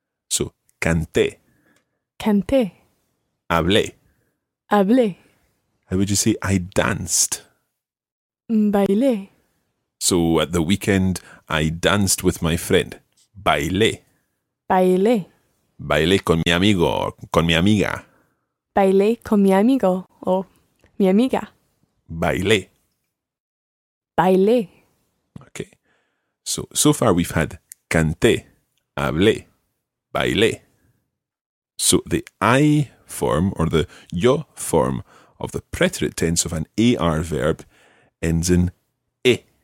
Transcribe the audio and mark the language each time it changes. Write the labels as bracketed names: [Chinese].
[Spanish] So, canté. Canté. Hablé. Hablé. [English] How would you say I danced? [Spanish] Bailé. [English] So, at the weekend, I danced with my friend. Bailé. [Spanish] Bailé. Bailé con mi amigo or con mi amiga. Bailé con mi amigo o mi amiga. Bailé. Bailé. [English] Okay. So far we've had canté, hablé, bailé. So the I form or the yo form of the preterite tense of an AR verb ends in e.